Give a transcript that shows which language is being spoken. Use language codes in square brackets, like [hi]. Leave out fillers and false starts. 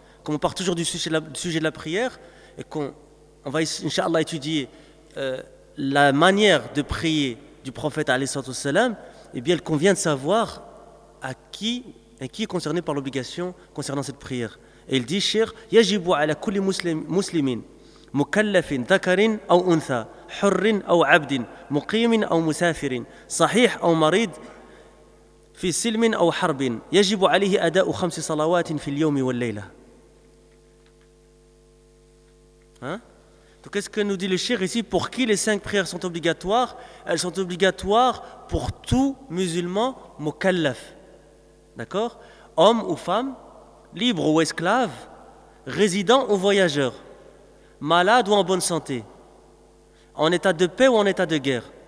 [fr] Comme on part toujours du sujet de la prière et qu'on va, inshallah, étudier la manière de prier du prophète, alayhi salatu wassalam, eh bien, il convient de savoir à qui est concerné par l'obligation concernant cette prière. Et il dit, Cheikh, [ar] yajibu ala kulli muslimin. مكلف ذكر أو أنثى حر أو عبد مقيم أو مسافر صحيح أو مريض في سلم أو حرب يجب عليه أداء 5 صلوات في اليوم والليلة. [fr] Donc qu'est-ce que nous dit le cheikh ici? Pour qui les 5 prières sont obligatoires? Elles sont obligatoires pour tout musulman mukallaf. D'accord? Homme ou femme, libre ou esclave, résident ou voyageur, malade ou en bonne santé, en état de paix ou en état de guerre.